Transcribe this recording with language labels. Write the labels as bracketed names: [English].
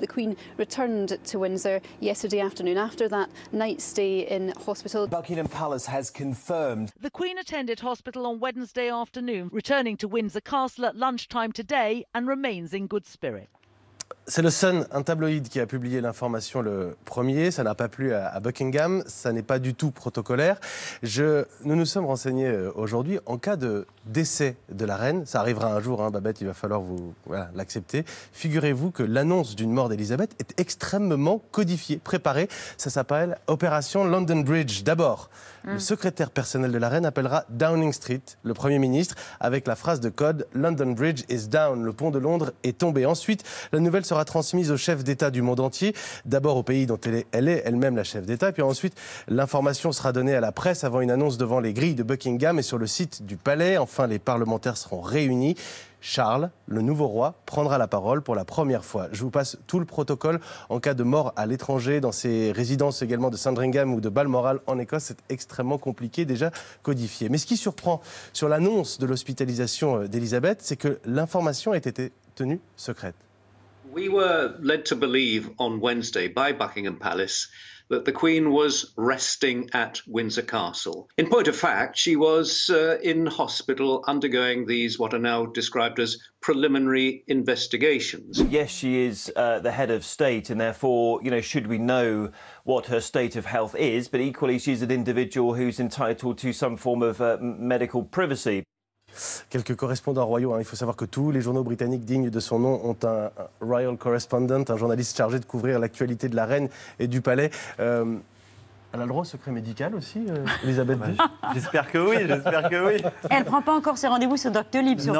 [English] The Queen returned to Windsor yesterday afternoon after that night stay in hospital. Buckingham Palace has confirmed. The Queen attended hospital on Wednesday afternoon, returning to Windsor Castle at lunchtime today and remains in good spirit. [French] C'est le Sun, un tabloïd, qui a publié l'information le premier. Ça n'a pas plu à Buckingham. Ça n'est pas du tout protocolaire. Nous nous sommes renseignés aujourd'hui. En cas de décès de la reine, ça arrivera un jour, hein, Babette, il va falloir l'accepter. Figurez-vous que l'annonce d'une mort d'Elisabeth est extrêmement codifiée, préparée. Ça s'appelle Opération London Bridge. D'abord, le secrétaire personnel de la reine appellera Downing Street, le Premier ministre, avec la phrase de code « [English] London Bridge is down [French] », le pont de Londres est tombé. Ensuite, la nouvelle sera transmise au chef d'État du monde entier, d'abord au pays dont elle est elle-même la chef d'État, puis ensuite l'information sera donnée à la presse avant une annonce devant les grilles de Buckingham et sur le site du palais. Enfin, les parlementaires seront réunis. Charles, le nouveau roi, prendra la parole pour la première fois. Je vous passe tout le protocole en cas de mort à l'étranger, dans ses résidences également de Sandringham ou de Balmoral en Écosse. C'est extrêmement compliqué, déjà codifié. Mais ce qui surprend sur l'annonce de l'hospitalisation d'Elisabeth, c'est que l'information ait été tenue secrète. [English] We were led to believe on Wednesday by Buckingham Palace that the Queen was resting at Windsor Castle. In point of fact, she was in hospital undergoing these what are now described as preliminary investigations. Yes, she is the head of state, and therefore, you know, should we know what her state of health is, but equally she's an individual who's entitled to some form of medical privacy. [French] Quelques correspondants royaux, hein. Il faut savoir que tous les journaux britanniques dignes de son nom ont un royal correspondent, un journaliste chargé de couvrir l'actualité de la reine et du palais. Elle a le droit au secret médical aussi, Elisabeth II. J'espère que oui. Elle ne prend pas encore ses rendez-vous sur Doctolib, surtout.